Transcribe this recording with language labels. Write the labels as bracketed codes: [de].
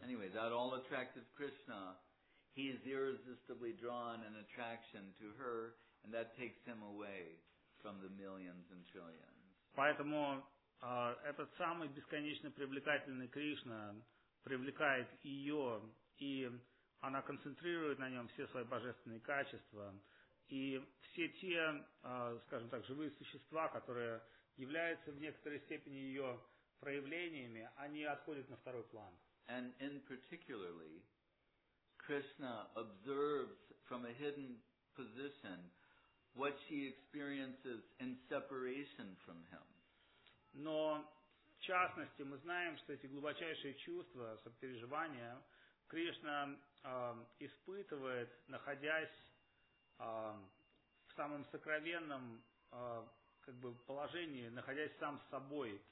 [en] Anyway, that all attractive Krishna, he is irresistibly drawn an attraction to her, and that takes him away from the millions and trillions. [ru] Поэтому этот самый бесконечно привлекательный Кришна привлекает ее, и она концентрирует на нем все свои божественные качества, и все те, скажем так, живые существа, которые являются в некоторой степени ее проявлениями, они отходят на второй план. [en] And in particularly, Krishna observes from a hidden position what she experiences in separation from him. [ru] Но в частности мы знаем, что эти глубочайшие чувства сопереживания Кришна испытывает, находясь в самом сокровенном как бы положении, находясь сам с собой.